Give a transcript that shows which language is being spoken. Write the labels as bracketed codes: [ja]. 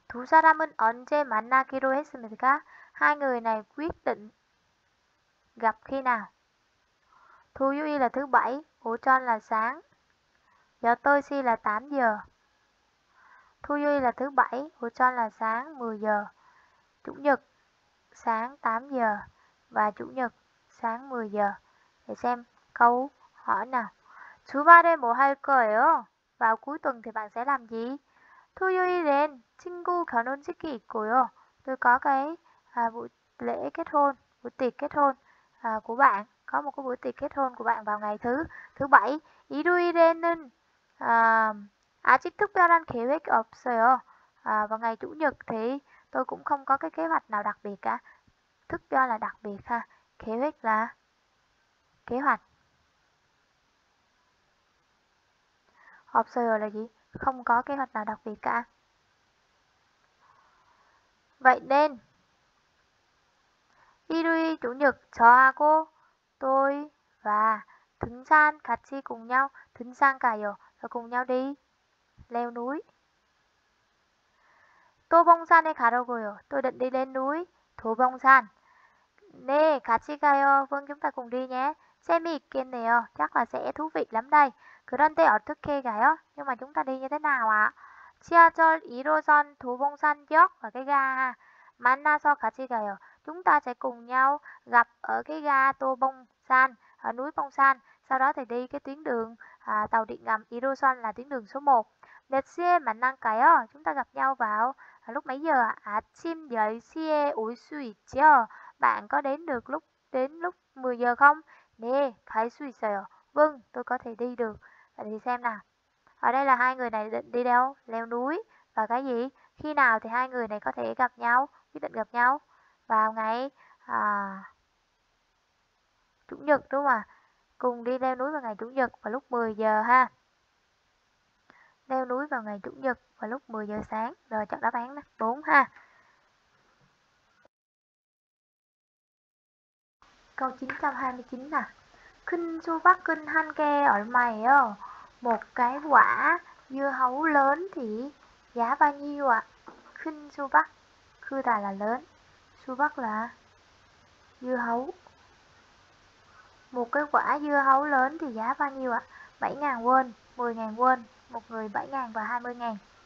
[ko] 두 사람은 언제 만나기로 했습니까? [vi] Hai người này quyết định gặp khi nào? 토요일 là thứ bảy, 오전 là sáng. 8시 là 8 giờ. 토요일 là thứ bảy, 오전 là sáng 10 giờ. Chủ nhật sáng 8 giờ và chủ nhật sáng 10 giờ. Để xem câu hỏi nào. [ko] 주말에 뭐할 거예요? [vi] Vào cuối tuần thì bạn sẽ làm gì? [ko] 토요일엔 친구 결혼식이 있고요. [vi] Tôi có cái buổi lễ kết hôn, buổi tiệc kết hôn của bạn. Có một cái buổi tiệc kết hôn của bạn vào ngày thứ bảy. [ko] 일요일에는 아직 특별한 계획 없어요. [vi] Vào ngày chủ nhật thì tôi cũng không có cái kế hoạch nào đặc biệt cả. Thức do là đặc biệt ha. Kế hoạch là kế hoạch. 없어요 là gì? Không có kế hoạch nào đặc biệt cả. Vậy nên 일요일 chủ nhật 저하고 tôi và 등산 같이 cùng nhau 등산 가요 và cùng nhau đi leo núi. [ko] 도봉산에 가려고요. [vi] Tôi định đi lên núi 도봉산. [ko] 네, 같이 가요. [vi] Vâng, chúng ta cùng đi nhé. [ko] 재미있겠네요. [vi] Chắc là sẽ thú vị lắm đây. [ko] 그런데 어떻게 가요? [vi] Nhưng mà chúng ta đi như thế nào ạ? [ko] 지하철 1호선 도봉산역 [vi] và cái ga [ko] 만나서 같이 가요. [vi] Chúng ta sẽ cùng nhau gặp ở cái ga Dobongsan, ở núi Bongsan. Sau đó thì đi cái tuyến đường tàu điện ngầm 1호선 là tuyến đường số 1. [ko] 몇 시에 만날까요? [vi] Chúng ta gặp nhau vào lúc mấy giờ ạ? [ko] 아침 10시에 올 수 있죠? [vi] Bạn có đến được lúc 10 giờ không? [ko] 네, 갈 수 있어요. [vi] Vâng, tôi có thể đi được. Vậy thì xem nào. Ở đây là hai người này định đi đâu? Leo núi. Và cái gì? Khi nào thì hai người này có thể gặp nhau? Quyết định gặp nhau? Vào ngày chủ nhật đúng không ạ? Cùng đi leo núi vào ngày chủ nhật vào lúc 10 giờ ha. Leo núi vào ngày chủ nhật vào lúc 10 giờ sáng. Rồi chọn đáp án 4 ha. Câu 929 nè. [ko] 큰 조각은 한 개 얼마예요? [vi] Một cái quả dưa hấu lớn thì giá bao nhiêu ạ? 큰 조각, 크다 là lớn, 조각 là dưa hấu. Một cái quả dưa hấu lớn thì giá bao nhiêu ạ? 7.000 won, 10.000 won, một người 7.000 và 20.000.